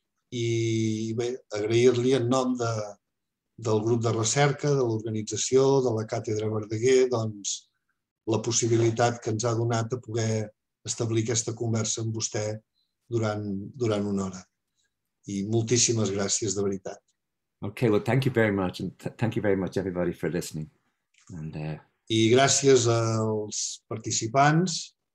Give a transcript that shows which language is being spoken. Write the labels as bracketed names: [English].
[Catalan] i bé, agrair-li en nom del grup de recerca, de l'organització, de la Càtedra Verdaguer, doncs, la possibilitat que ens ha donat de poder establir aquesta conversa amb vostè durant una hora. I moltíssimes gràcies, de veritat. [English] Okay, well, thank you very much, and thank you very much, everybody, for listening. And, [Catalan] I gràcies als participants.